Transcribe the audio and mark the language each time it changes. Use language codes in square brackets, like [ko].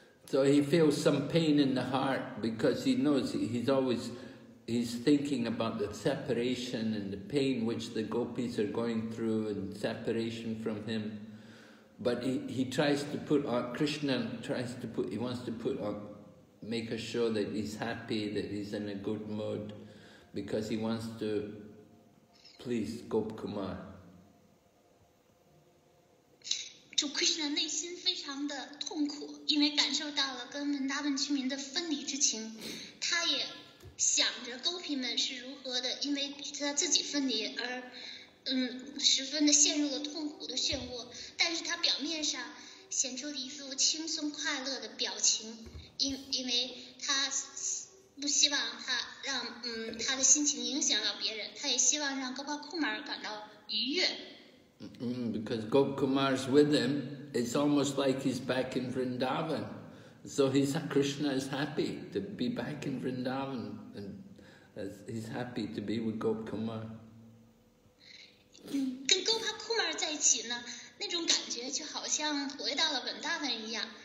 [en] So he feels some pain in the heart because he knows he's thinking about the separation and the pain which the gopis are going through and separation from him. But he wants to make sure that he's happy, that he's in a good mood, because he wants to please Gop Kumar. [zh] 主 Krishna 内心非常的痛苦，因为感受到了跟文达文居民的分离之情，他也想着 Gopi 们是如何的因为他自己分离而十分的陷入了痛苦的漩涡，但是他表面上显出了一副轻松快乐的表情，因为他不希望他让他的心情影响到别人，他也希望让 Gopa Kumar 感到愉悦。 [en] Because Gop Kumar's with him, it's almost like he's back in Vrindavan. So Krishna is happy to be back in Vrindavan, and he's happy to be with Gop Kumar. [zh] 跟 Gopa Kumar 在一起呢，那种感觉就好像回到了 Vrindavan 一样。